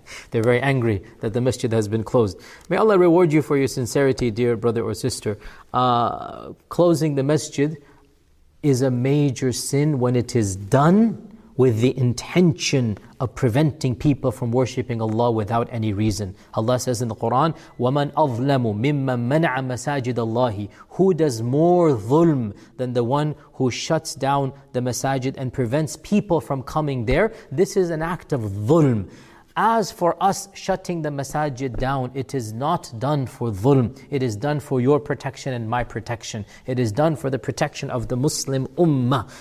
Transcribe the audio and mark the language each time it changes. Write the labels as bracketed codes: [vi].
[en] They're very angry that the masjid has been closed. May Allah reward you for your sincerity, dear brother or sister. Closing the masjid is a major sin when it is done with the intention of preventing people from worshipping Allah without any reason. Allah says in the Quran, [ar] وَمَنْ أَظْلَمُ مِمَّا مَنَعَ مَسَاجِدَ اللَّهِ. [en] Who does more ظُلْم than the one who shuts down the masajid and prevents people from coming there? This is an act of ظُلْم. As for us shutting the masajid down, it is not done for dhulm. It is done for your protection and my protection. It is done for the protection of the Muslim ummah.